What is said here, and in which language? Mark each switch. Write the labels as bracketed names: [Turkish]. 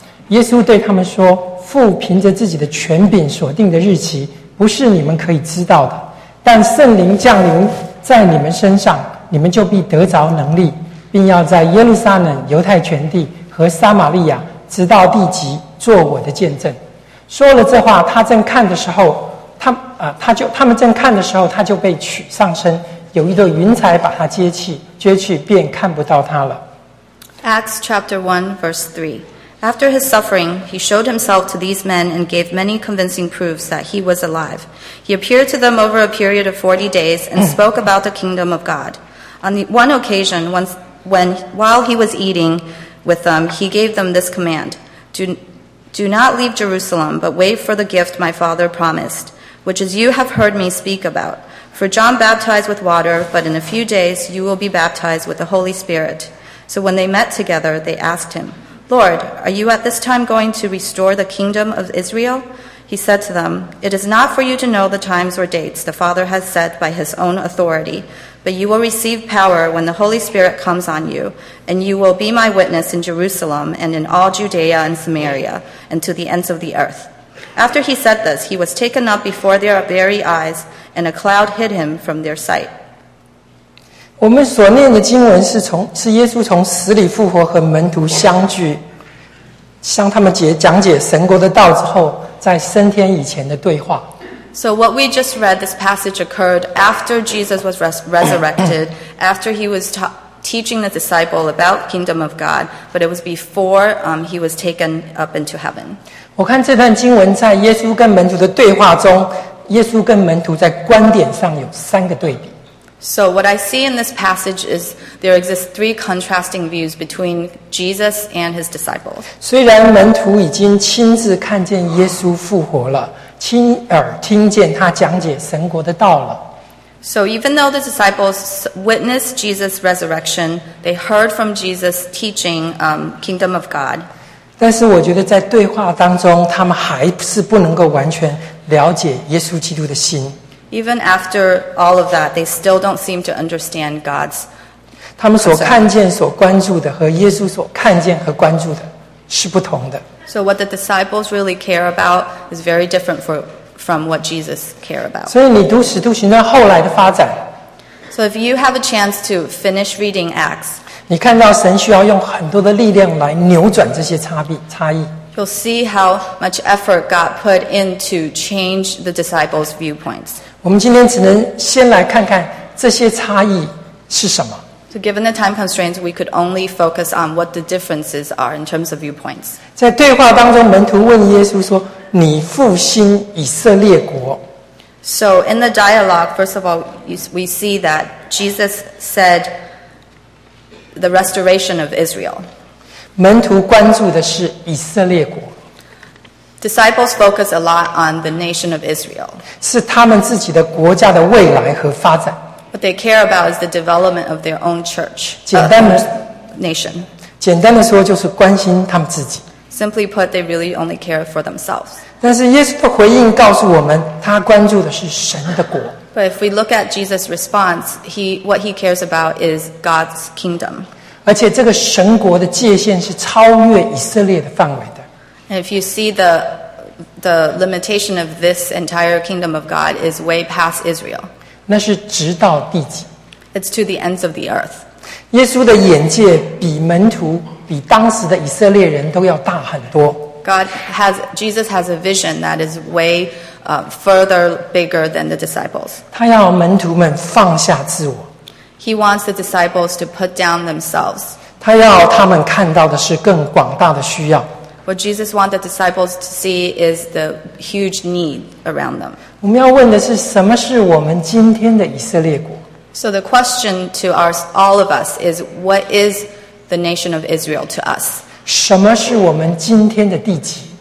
[Chinese] 耶稣对他们说父凭着自己的权柄所定的日期不是你们可以知道的但圣灵降临在你们身上你们就必得着能力并要在耶路撒冷犹太全地和撒玛利亚直到地极做我的见证说了这话他正看的时候 他们正看的时候他就被取上身有一朵云彩把他接去便看不到他了 [English] Acts chapter 1 verse 3 After his suffering he showed himself to these men and gave many convincing proofs that he was alive He appeared to them over a period of 40 days and spoke about the kingdom of God On the one occasion while he was eatingWith them, he gave them this command, Do not leave Jerusalem, but wait for the gift my father promised, which as you have heard me speak about. For John baptized with water, but in a few days you will be baptized with the Holy Spirit. So when they met together, they asked him, Lord, are you at this time going to restore the kingdom of Israel? He said to them, It is not for you to know the times or dates the Father has set by his own authority. But you will receive power when the Holy Spirit comes on you, and you will be my witness in Jerusalem and in all Judea and Samaria and to the ends of the earth. After he said this, he was taken up before their very eyes, and a cloud hid him from their sight. [Chinese] 我们所念的经文是耶稣从死里复活和门徒相聚，向他们讲解神国的道之后，在升天以前的对话。 [English] So what we just read, this passage occurred after Jesus was resurrected, after he was teaching the disciple about kingdom of God, but it was before he was taken up into heaven. [Chinese] 我看这段经文在耶稣跟门徒的对话中，耶稣跟门徒在观点上有三个对比。 [English] So what I see in this passage is there exist three contrasting views between Jesus and his disciples. [Chinese] 虽然门徒已经亲自看见耶稣复活了。亲耳听见他讲解神国的道了。 [English] So even though the disciples witnessed Jesus' resurrection, they heard from Jesus teaching kingdom of God. [Chinese] 但是我觉得在对话当中，他们还是不能够完全了解耶稣基督的心。 [English] Even after all of that, they still don't seem to understand God's. [Chinese] 他们所看见、所关注的和耶稣所看见和关注的是不同的。 [English] So what the disciples really care about is very different from what Jesus care about. [Chinese] 所以你读使徒行传后来的发展。 [English] So if you have a chance to finish reading Acts, [Chinese] 你看到神需要用很多的力量来扭转这些差异。 [English] You'll see how much effort God put in to change the disciples' viewpoints. [Chinese] 我们今天只能先来看看这些差异是什么。 [English] So given the time constraints, we could only focus on what the differences are in terms of viewpoints. [Chinese] 在对话当中，门徒问耶稣说，你复兴以色列国。 [English] So in the dialogue, first of all, we see that Jesus said the restoration of Israel. [Chinese] 门徒关注的是以色列国。 [English] Disciples focus a lot on the nation of Israel. [Chinese] 是他们自己的国家的未来和发展。 [English] What they care about is the development of their own church, nation. [Chinese] 简单的说就是关心他们自己。 [English] Simply put, they really only care for themselves. [Chinese] 但是耶稣的回应告诉我们，他关注的是神的国。 [English] But if we look at Jesus' response, what he cares about is God's kingdom. [Chinese] 而且这个神国的界限是超越以色列的范围的。 [English] And if you see the limitation of this entire kingdom of God is way past Israel. [Chinese] 那是直到地极。 [English] It's to the ends of the earth. [Chinese] 耶稣的眼界比门徒、比当时的以色列人都要大很多。 [English] Jesus has a vision that is way further bigger than the disciples. [Chinese] 他要门徒们放下自我。 [English] He wants the disciples to put down themselves. [Chinese] 他要他们看到的是更广大的需要。 [English] What Jesus wants the disciples to see is the huge need around them. [Chinese] 我们要问的是什么是我们今天的以色列国。 [English] So the question to all of us is, what is the nation of Israel to us? [Chinese] 什么是我们今天的地极。